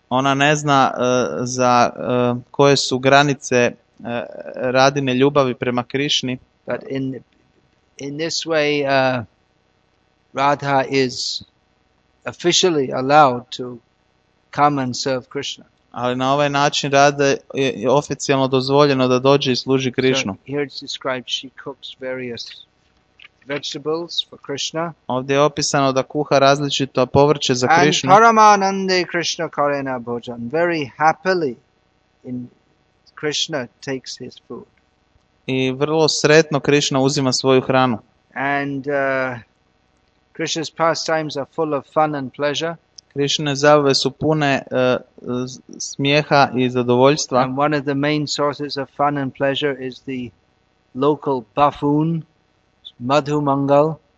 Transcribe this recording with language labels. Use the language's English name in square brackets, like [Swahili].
[Croatian] Ona ne zna za koje su granice Radine ljubavi prema Krišni. [English] But in this way Radha is officially allowed to come and serve Krishna. [Croatian] Ali na ovaj način Rada je oficijalno dozvoljeno da dođe i služi Krišnu. [English] So here it's described she cooks various vegetables for Krishna. [Croatian] Ovdje je opisano da kuha različito povrće za Krišnu. [Bangla] And Paramanande Krishna Karena Bhojan. [English] Very happily in Krishna takes his food. [Croatian] I vrlo sretno Krišna uzima svoju hranu. [English] And Krishna's pastimes are full of fun and pleasure. [Croatian] Krišne zabave su pune smijeha i zadovoljstva. [English] And one of the main sources of fun and pleasure is the local buffoon, Madhu Mangal.